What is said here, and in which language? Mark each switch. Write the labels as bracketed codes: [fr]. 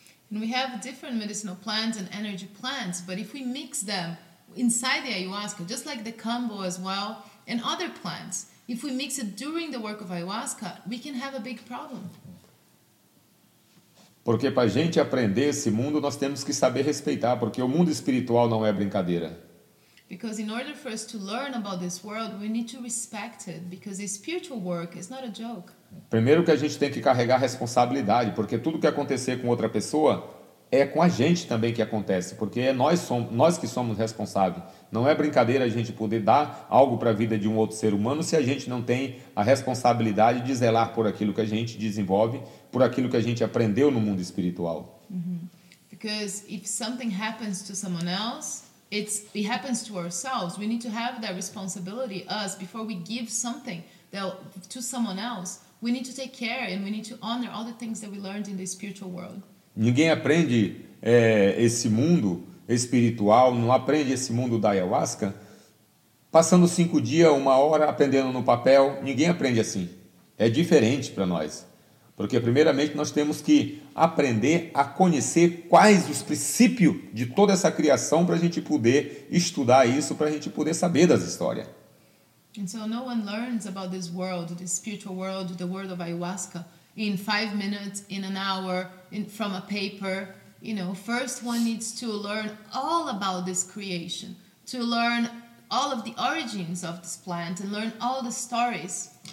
[en] And we have different medicinal plants and energy plants, but if we mix them inside the ayahuasca, just like the combo as well, and other plants, if we mix it during the work of ayahuasca, we can have a big problem. [pt] Porque para a gente aprender esse mundo, nós temos que saber respeitar, porque o mundo espiritual não é brincadeira. [en] Because in order for us to learn about this world, we need to respect it, because the spiritual work is not a joke. [pt] Primeiro que a gente tem que carregar a responsabilidade, porque tudo que acontecer com outra pessoa é com a gente também que acontece, porque é nós que somos responsáveis. Não é brincadeira a gente poder dar algo para a vida de um outro ser humano se a gente não tem a responsabilidade de zelar por aquilo que a gente desenvolve, por aquilo que a gente aprendeu no mundo espiritual. [en] Uhum. Because if something happens to someone else, it happens to ourselves. We need to have that responsibility, us, before we give something to someone else. We need to take care and we need to honor all the things that we learned in the spiritual world. [pt] Ninguém aprende esse mundo espiritual, não aprende esse mundo da ayahuasca passando 5 dias, 1 hora aprendendo no papel. Ninguém aprende assim. É diferente para nós. Porque primeiramente nós temos que aprender a conhecer quais os princípios de toda essa criação para a gente poder estudar isso, para a gente poder saber das histórias. [en] And so no one learns about this world, this spiritual world, the world of ayahuasca in 5 minutes, in an hour, from a paper. You know, first one needs to learn all about this creation, to learn all of the origins of this plant and learn all the stories.